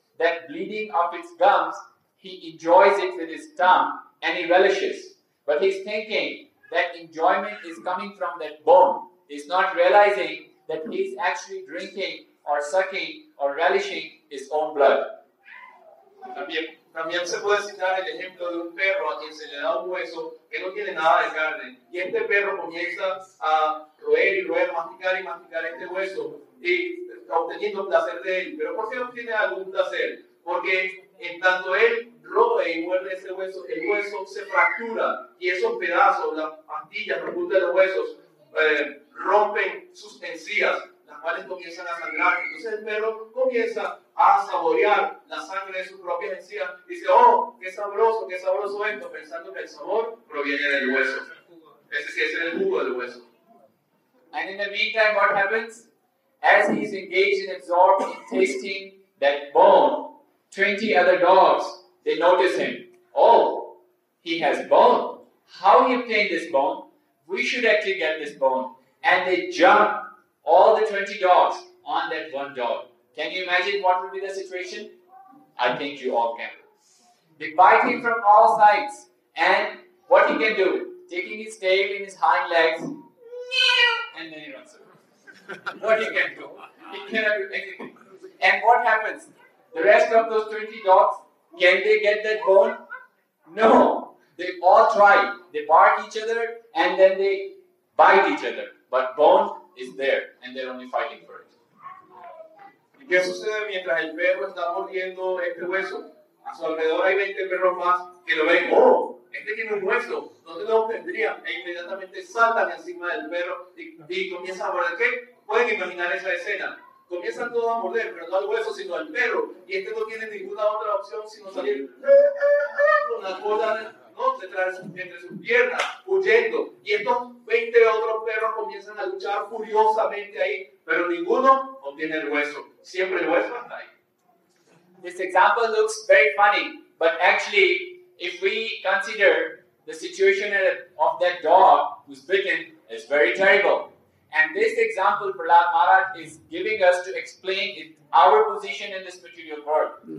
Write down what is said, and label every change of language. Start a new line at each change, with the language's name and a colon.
English: That bleeding of its gums, he enjoys it with his tongue and he relishes. But he's thinking that enjoyment is coming from that bone. He's not realizing that he's actually drinking or sucking or relishing his own blood.
Spanish: También se puede citar el ejemplo de un perro a quien se le da un hueso que no tiene nada de carne. Y este perro comienza a roer y roer, masticar y masticar este hueso y obteniendo placer de él. ¿Pero por qué obtiene algún placer? Porque en tanto él roe y muerde ese hueso, el hueso se fractura y esos pedazos, las pastillas, los puntos de los huesos rompen sus encías, las cuales comienzan a sangrar. Entonces el perro comienza a saborear la sangre de sus propias encías. Dice, oh, qué sabroso esto, pensando que el sabor proviene del hueso. Ese es el jugo del hueso.
English: And in the meantime, what happens? As he is engaged and absorbed in tasting that bone, 20 other dogs, they notice him. Oh, he has bone. How he obtained this bone? We should actually get this bone. And they jump, all the 20 dogs, on that one dog. Can you imagine what would be the situation? I think you all can. They bite him from all sides. And what he can do? Taking his tail in his hind legs. And then he runs away. What he can do? He cannot do anything. And what happens? The rest of those 20 dogs, can they get that bone? No. They all try. They bark each other and then they bite each other. But bone is there and they're only fighting for it.
Spanish: ¿Qué sucede mientras el perro está mordiendo este hueso? A su alrededor hay 20 perros más que lo ven. ¡Oh! Este tiene un hueso. ¿Dónde lo obtendría? E inmediatamente saltan encima del perro y comienzan a morder. ¿Qué? Pueden imaginar esa escena. Comienzan todos a morder, pero no al hueso, sino al perro. Y este no tiene ninguna otra opción sino salir con la cola detrás entre sus piernas, huyendo. Y estos 20 otros perros comienzan a luchar furiosamente ahí, pero ninguno obtiene el hueso. Siempre el hueso está ahí.
English: This example looks very funny, but actually, if we consider the situation of that dog who's bitten, it's very terrible. And this example, Prahlad Maharaj is giving us to explain our position in this material world.